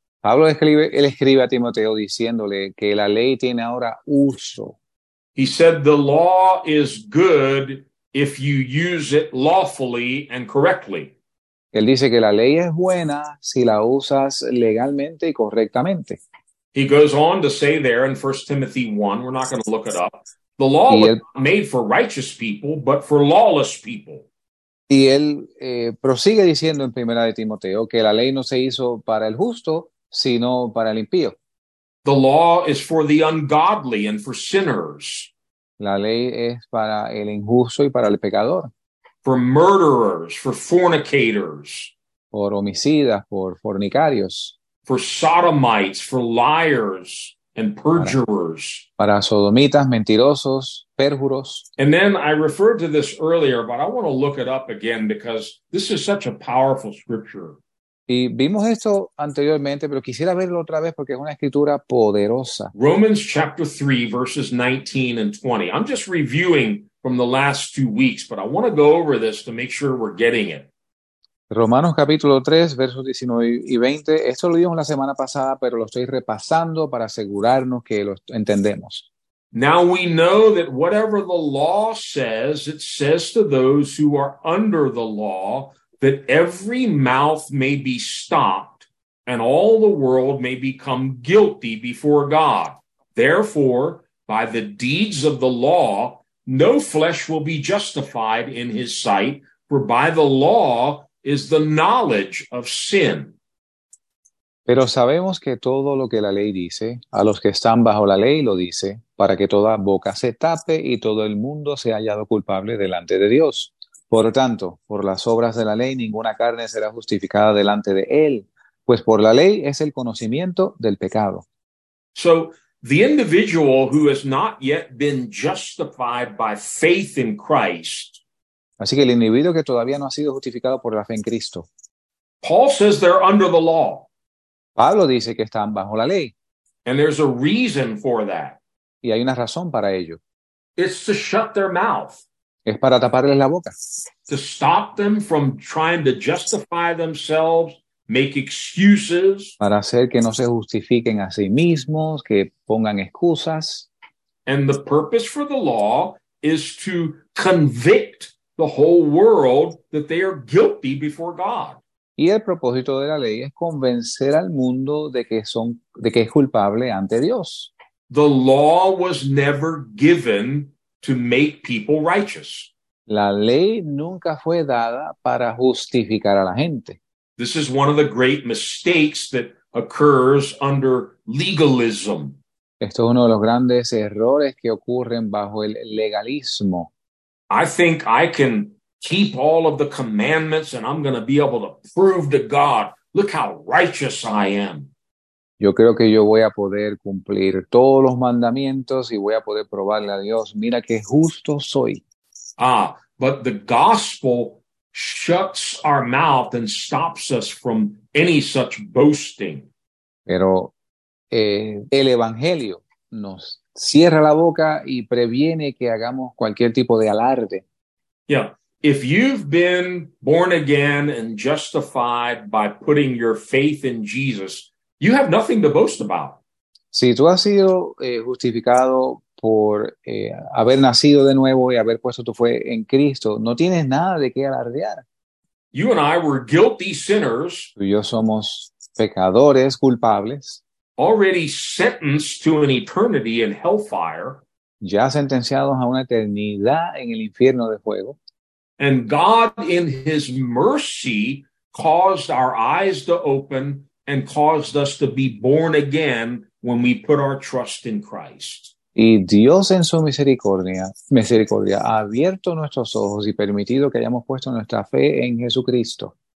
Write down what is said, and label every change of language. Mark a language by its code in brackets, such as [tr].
[es] Pablo escribe, él escribe a Timoteo diciéndole que la ley tiene ahora uso. [en] He said, the law is good if you use it lawfully and correctly. [es] Él dice que la ley es buena si la usas legalmente y correctamente. [en] He goes on to say there in 1 Timothy 1, we're not going to look it up, the law was not made for righteous people, but for lawless people. [es] Y él prosigue diciendo en Primera de Timoteo que la ley no se hizo para el justo, sino para el impío. [en] The law is for the ungodly and for sinners. [es] La ley es para el injusto y para el pecador. [en] For murderers, for fornicators. [es] Por homicidas, por fornicarios. [en] For sodomites, for liars and perjurers. [es] Para sodomitas, mentirosos, perjuros. [en] And then I referred to this earlier, but I want to look it up again because this is such a powerful scripture. [es] Y vimos esto anteriormente, pero quisiera verlo otra vez porque es una escritura poderosa. [en] Romans chapter 3, verses 19 and 20. I'm just reviewing from the last 2 weeks, but I want to go over this to make sure we're getting it. [es] Romanos capítulo 3, versos 19 y 20. Esto lo vimos la semana pasada, pero lo estoy repasando para asegurarnos que lo entendemos. [en] Now we know that whatever the law says, it says to those who are under the law, that every mouth may be stopped and all the world may become guilty before God. Therefore, by the deeds of the law, no flesh will be justified in his sight, for by the law is the knowledge of sin. [es] Pero sabemos que todo lo que la ley dice, a los que están bajo la ley lo dice, para que toda boca se tape y todo el mundo sea hallado culpable delante de Dios. Por tanto, por las obras de la ley, ninguna carne será justificada delante de él, pues por la ley es el conocimiento del pecado. [en] So, the individual who has not yet been justified by faith in Christ. [es] Así que el individuo que todavía no ha sido justificado por la fe en Cristo. [en] Paul says they're under the law. [es] Pablo dice que están bajo la ley. [en] And there's a reason for that. [es] Y hay una razón para ello. [en] It's to shut their mouth. [es] Es para taparles la boca. [en] To stop them from trying to justify themselves, make excuses. [es] Para hacer que no se justifiquen a sí mismos, que pongan excusas. [en] And the purpose for the law is to convict the whole world that they are guilty before God. [es] Y el propósito de la ley es convencer al mundo de que es culpable ante Dios. [en] The law was never given to make people righteous. [es] La ley nunca fue dada para justificar a la gente. [en] This is one of the great mistakes that occurs under legalism. [es] Esto es uno de los grandes errores que ocurren bajo el legalismo. [en] I think I can keep all of the commandments and I'm going to be able to prove to God, look how righteous I am. [es] Yo creo que yo voy a poder cumplir todos los mandamientos y voy a poder probarle a Dios, mira qué justo soy. [en] Ah, but the gospel shuts our mouth and stops us from any such boasting. [es] Pero el Evangelio nos cierra la boca y previene que hagamos cualquier tipo de alarde. [en] Yeah. If you've been born again and justified by putting your faith in Jesus, you have nothing to boast about. [es] Si tú has sido justificado por haber nacido de nuevo y haber puesto tu fe en Cristo, no tienes nada de qué alardear. [en] You and I were guilty sinners. [es] Tú y yo somos pecadores culpables. [en] Already sentenced to an eternity in hellfire. [es] Ya sentenciados a una eternidad en el infierno de fuego. [en] And God in his mercy caused our eyes to open and caused us to be born again when we put our trust in Christ. [es] Y Dios en su misericordia ha abierto nuestros ojos y permitido que hayamos puesto nuestra fe en Jesucristo.